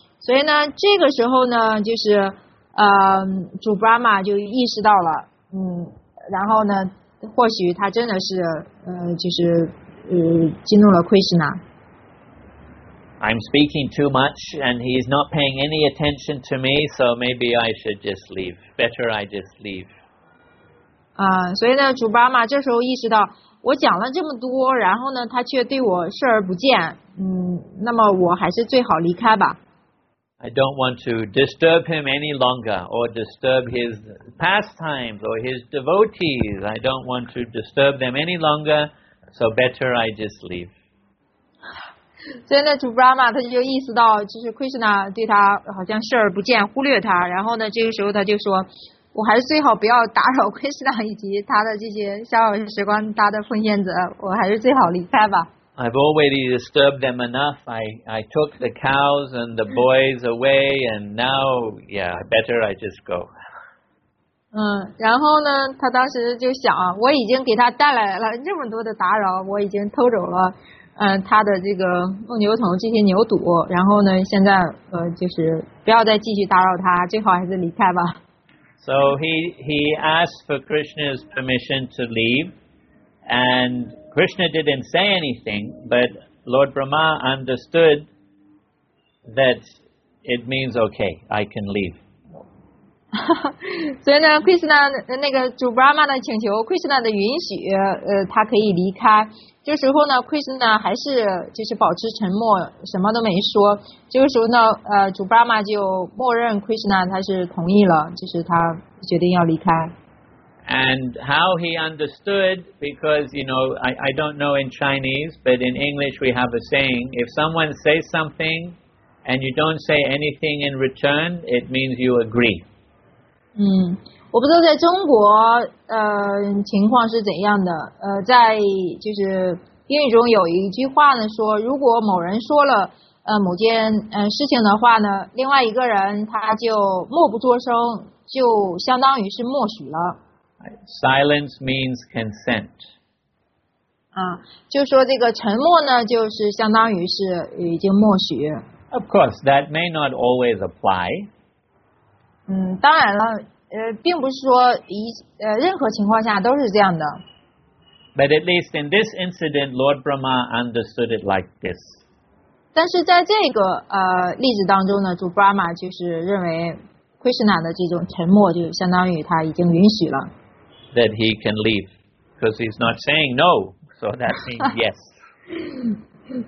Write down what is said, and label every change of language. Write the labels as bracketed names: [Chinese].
[Chinese] 所以呢这个时候呢就是主 Brahma 就意识到了然后呢或许他真的是就是激怒了 Krishna。 [English] I'm speaking too much and he is not paying any attention to me, so maybe I should just leave. Better I just leave. [Chinese] 所以呢主 Brahma 这时候意识到我讲了这么多，然后呢，他却对我视而不见，那么我还是最好离开吧。 [English] I don't want to disturb him any longer, or disturb his pastimes, or his devotees. I don't want to disturb them any longer, so better I just leave. [Chinese] 所以呢，主 Brahma 他就意识到，就是 Krishna 对他好像视而不见，忽略他。然后呢，这个时候他就说，我还是最好不要打扰 Krishna 以及他的这些逍遥时光，他的奉献者，我还是最好离开吧。 [English] I've already disturbed them enough. I took the cows and the boys away, and now, yeah, better I just go. [Chinese] 然后呢，他当时就想，我已经给他带来了这么多的打扰，我已经偷走了，他的这个牧牛童这些牛犊，然后呢，现在就是不要再继续打扰他，最好还是离开吧。 [English] So he asked for Krishna's permission to leave, and Krishna didn't say anything, but Lord Brahma understood that it means okay, I can leave. [Chinese] 所以呢 ，Krishna 那个主 Brahma 的请求 ，Krishna 的允许，他可以离开。这时候呢 ，Krishna 还是就是保持沉默，什么都没说。这个时候呢，主 Brahma 就默认 Krishna 他是同意了，就是他决定要离开。 [English] And how he understood, because, you know, I don't know in Chinese, but in English we have a saying, if someone says something and you don't say anything in return, it means you agree. [Chinese] 我不知道在中国情况是怎样的。在就是英语中有一句话呢说，如果某人说了某件事情的话呢，另外一个人他就默不作声，就相当于是默许了。 [English] Silence means consent. [Chinese] 就说这个沉默呢，就是相当于是已经默许。 [English] Of course, that may not always apply. [Chinese] 当然了，并不是说任何情况下都是这样的。 [English] But at least in this incident, Lord Brahma understood it like this. [Chinese] 但是在这个例子当中呢，主 Brahma 就是认为 Krishna 的这种沉默就相当于他已经允许了。 [English] That he can leave, because he's not saying no, so that means yes.